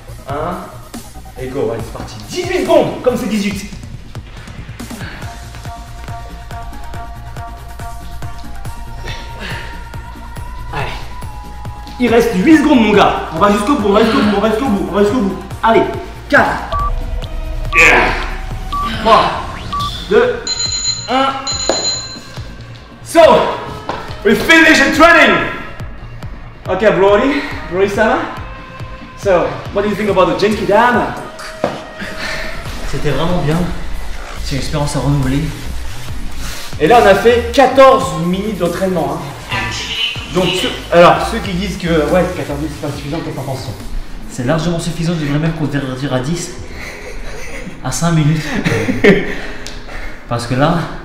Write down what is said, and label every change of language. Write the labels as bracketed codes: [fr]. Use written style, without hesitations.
[fr] 1, et go, allez, c'est parti. 18 secondes, comme c'est 18. Allez. Il reste 8 secondes, mon gars. On va jusqu'au bout, on va jusqu'au bout. Allez, 4. [en] 3, 2, 1, so, we finish the training. Ok, Brody, [fr] ça va? [en] So, what do you think about the Genki Dan? [fr] C'était vraiment bien, c'est une expérience à renouveler. Et là, on a fait 14 minutes d'entraînement. Hein. Donc, ceux qui disent que ouais, 14 minutes, c'est pas suffisant, qu'est-ce qu'on pense? C'est largement suffisant, je dirais même qu'on devrait réduire à 10. À 5 minutes. Parce que là,